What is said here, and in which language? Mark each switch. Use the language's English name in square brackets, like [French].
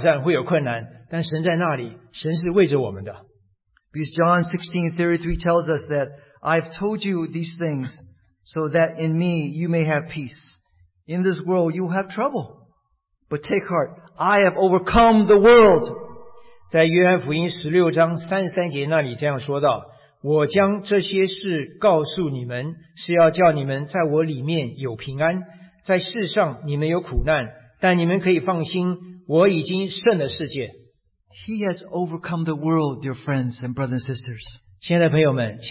[Chinese] 是的，我们在生活里面会有挑战，会有困难，但神在那里，神是为着我们的。 [English] Because John 16:33 tells us that I've told you these things so that in me you may have peace. In this world you will have trouble. But take heart, I have overcome the world. [Chinese] 在约翰福音16章33节那里这样说道， 我将这些事告诉你们，是要叫你们在我里面有平安。在世上你们有苦难，但你们可以放心，我已经胜了世界。 [English] He has overcome the world, dear friends and brothers and sisters.